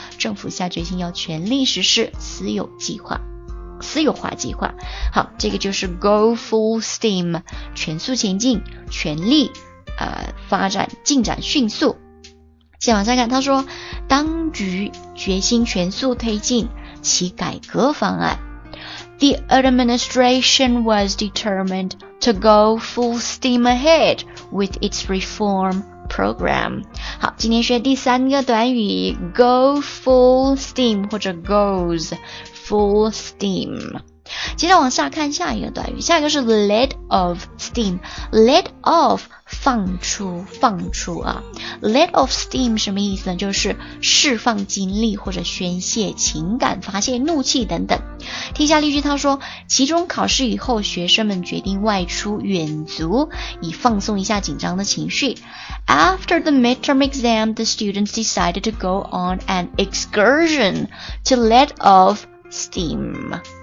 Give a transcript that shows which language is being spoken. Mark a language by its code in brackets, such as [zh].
[zh] 政府下决心要全力实施私有计划，私有化计划。好，这个就是 go full steam，全速前进，全力发展，进展迅速。先往下看，他说当局决心全速推进其改革方案。 [en] The administration was determined to go full steam ahead with its reform program. [zh] 好，今天学第三个短语 go full steam 或者 goes full steam。接着往下看下一个短语，下一个是 let off steam， let off 放出啊， let off steam 什么意思呢？就是释放精力或者宣泄情感，发泄怒气等等。听下例句，他说期中考试以后，学生们决定外出远足以放松一下紧张的情绪。 [en] After the midterm exam, the students decided to go on an excursion to let off steam.